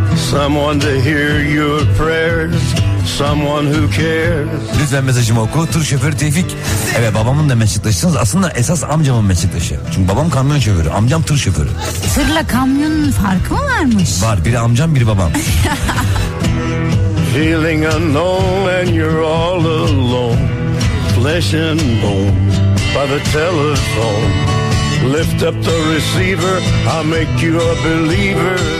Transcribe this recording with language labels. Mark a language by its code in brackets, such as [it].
[en] Someone to hear your prayers. Someone who cares. [tr] Lütfen mesajımı oku. Tur şoförü Tevfik. Evet, babamın da meslektaşısınız. Aslında esas amcamın meslektaşı. Çünkü babam kamyon şoförü, amcam tur şoförü. Tırla kamyonun farkı mı varmış? Var, biri amcam biri babam. [en] Feeling unknown and you're all alone. Flesh and bone by the telephone. Lift up the receiver, I'll make you a believer.